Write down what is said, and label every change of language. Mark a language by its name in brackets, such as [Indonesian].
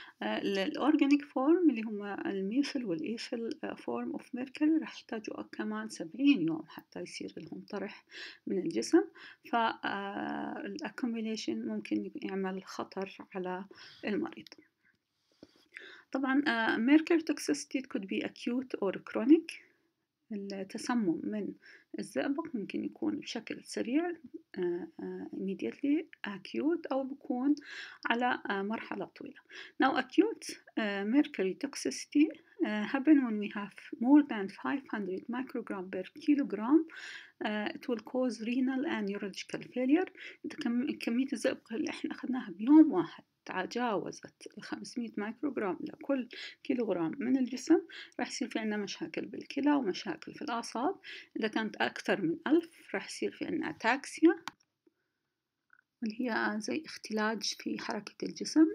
[Arabic] الأورجانيك فورم اللي هما الميثل والإيثل فورم أوف ميركوري راح يحتاجوا كمان 70 يوم حتى يصير لهم طرح من الجسم، فالأكوميليشن ممكن يعمل خطر على المريض. طبعا ميركوري توكسيستي [English] could be acute or chronic. [Arabic] التسمم من الزئبق ممكن يكون بشكل سريع [English] immediately acute [Arabic] أو بكون على مرحلة طويلة. [English] Now acute mercury toxicity happen when we have more than 500 microgram per kilogram. It will cause renal and neurological failure. [Arabic] كمية الزئبق اللي احنا أخذناها بيوم واحد تجاوزت 500 مايكروغرام لكل كيلوغرام من الجسم، راح يصير في عنا مشاكل بالكلى ومشاكل في الأعصاب. إذا كانت أكثر من 1000 راح يصير في عنا أتاكسيا، اللي هي زي اختلاج في حركة الجسم.